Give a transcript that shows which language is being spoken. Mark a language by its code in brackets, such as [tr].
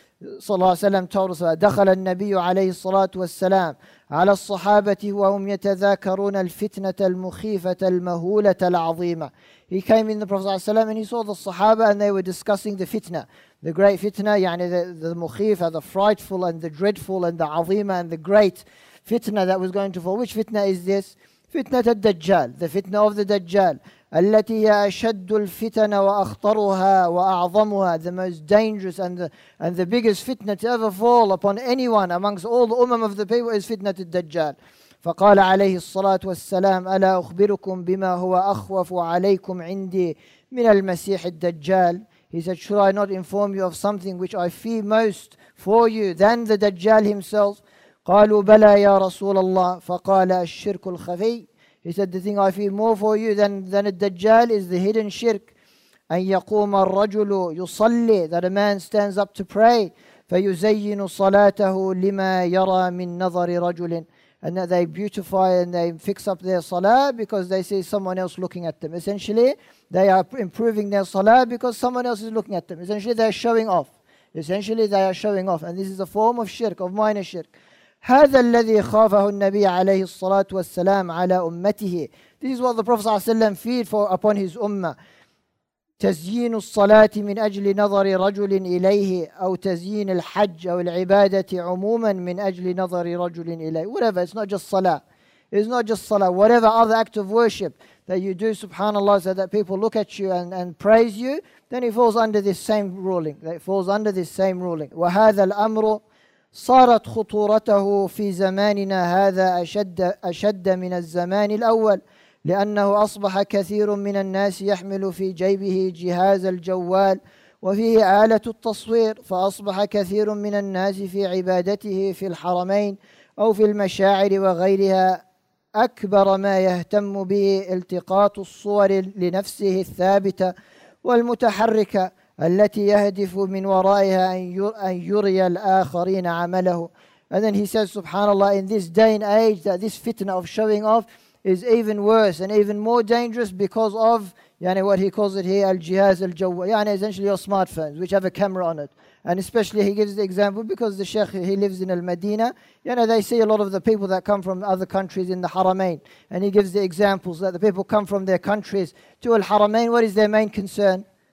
[en] Sallallahu alaihi wasallam told us, [ar] دَخَلَ النَّبِيُّ عَلَيْهِ الصَّلَاةُ وَالسَّلَامُ عَلَى الصَّحَابَةِ وَهُمْ يَتَذَاكَرُونَ الْفِتْنَةَ الْمُخِيفَةَ الْمَهُولَةَ الْعَظِيمَةَ. [en] He came in the Prophet ﷺ and he saw the Sahaba and they were discussing the fitna. The great fitna, the mukhifa, the frightful and the dreadful and the azima and the great fitna that was going to fall. Which fitna is this? Fitna al-Dajjal, the fitna of the Dajjal. [ar] التي هي أشد الفتن وأخطرها وأعظمها. [en] The most dangerous and the biggest fitna to ever fall upon anyone amongst all the umam of the people is fitna al-Dajjal. [ar] فقال عليه الصلاة والسلام ألا أخبركم بما هو أخوف عليكم عندي من المسيح الدجال. [en] He said, should I not inform you of something which I fear most for you than the Dajjal himself? [ar] قالوا بلى يا رسول الله فقال الشرك الخفي. [en] He said, the thing I fear more for you than الدجال is the hidden shirk. [ar] أن يقوم الرجل يصلي, [en] that a man stands up to pray. [ar] فيزين صلاته لما يرى من نظر رجل. [en] And that they beautify and they fix up their salah because they see someone else looking at them. Essentially, they are improving their salah because someone else is looking at them. Essentially, they are showing off. Essentially, they are showing off. And this is a form of shirk, of minor shirk. [ar] هذا الذي خافه النبي عليه الصلاة والسلام على أمته. [en] This is what the Prophet ﷺ feared for upon his ummah. [ar] تزيين الصلاة من أجل نظر رجل إليه أو تزيين الحج أو العبادة عموما من أجل نظر رجل إليه. [en] Whatever, it's not just salah. It's not just salah. Whatever other act of worship that you do, subhanAllah, so that people look at you and praise you, then it falls under this same ruling. It falls under this same ruling. [ar] وهذا الأمر صارت خطورته في زماننا هذا أشد من الزمان الأول. لأنه أصبح كثير من الناس يحمل في جيبه جهاز الجوال وفيه آلة التصوير فأصبح كثير من الناس في عبادته في الحرمين أو في المشاعر وغيرها أكبر ما يهتم به التقاط الصور لنفسه الثابتة والمتحركة التي يهدف من ورائها أن يري الآخرين عمله. [en] And then he says, subhanAllah, in this day and age that this fitna of showing off is even worse and even more dangerous because of what he calls it here, al-jihaz al-jawwa, essentially your smartphones which have a camera on it. And especially he gives the example because the sheikh, he lives in al-Madinah, they see a lot of the people that come from other countries in the Haramain, and he gives the examples that the people come from their countries to al-Haramain. What is their main concern?